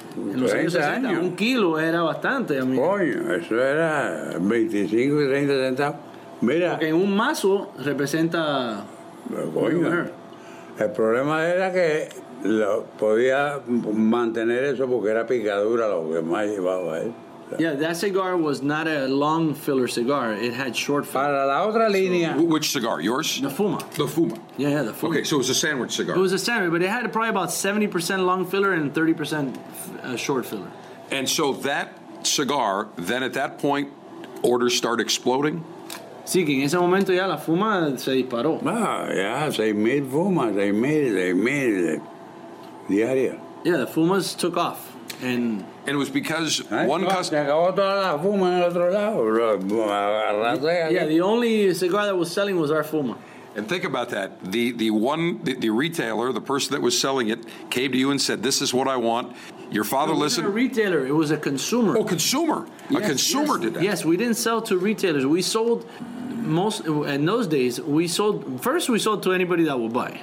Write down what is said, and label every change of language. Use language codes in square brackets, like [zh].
[es] En los años 60, un kilo era bastante, amigo. Coño, eso era 25, 30 centavos. Mira. Porque un mazo representa... Coño. El problema era que... Lo, podía mantener eso porque era picadura lo que más llevaba él. [en] Yeah, that cigar was not a long filler cigar. It had short filler. [es] Para la otra línea. [en] So, which cigar? Yours? The Fuma. The Fuma. Yeah, the Fuma. Okay, so it was a sandwich cigar. It was a sandwich, but it had probably about 70% long filler and 30% short filler. And so that cigar, then at that point, orders start exploding? [es] Sí, que en ese momento ya la Fuma se disparó. Ah, ya, 6,000 Fuma, 6,000 diaria. [en] Yeah, the Fumas took off. And it was because one customer... [es] Se acabó toda la Fuma en el otro lado. [en] Yeah, the only cigar that was selling was our Fuma. And think about that. The retailer, the person that was selling it, came to you and said, this is what I want. Your father listened. It wasn't a retailer. It was a consumer. Oh, consumer. Yes, a consumer, yes, did that. Yes, we didn't sell to retailers. We sold most, in those days, we sold to anybody that would buy.